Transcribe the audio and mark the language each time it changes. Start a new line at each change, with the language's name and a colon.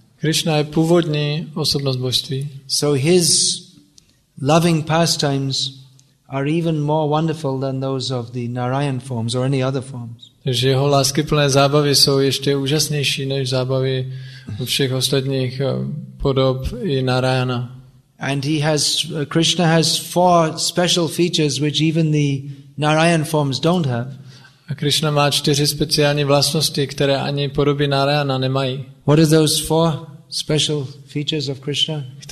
Czech: Krishna je původní osobnost božství.
English: So his loving pastimes are even more wonderful than those of the Narayan forms or any other forms.
Czech: Takže jeho láskyplné zábavy jsou ještě úžasnější než zábavy všech ostatních podob i Narayana.
English: And Krishna has four special features which even the Narayan forms don't have.
Czech: A Krishna má čtyři speciální vlastnosti, které ani podoby Narayana nemají.
English: What are those four special features of Krishna?